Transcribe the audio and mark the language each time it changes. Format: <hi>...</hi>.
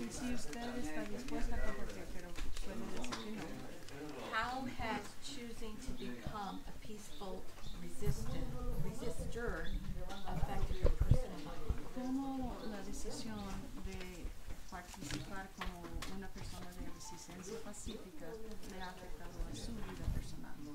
<es>si usted está dispuesta a compartir, pero puede decir que no.</es> <en>How has choosing to become a peaceful resistor affected your personal life?</en> <es>¿Cómo la decisión de participar como una persona de resistencia pacífica le ha afectado a su vida personal?</es>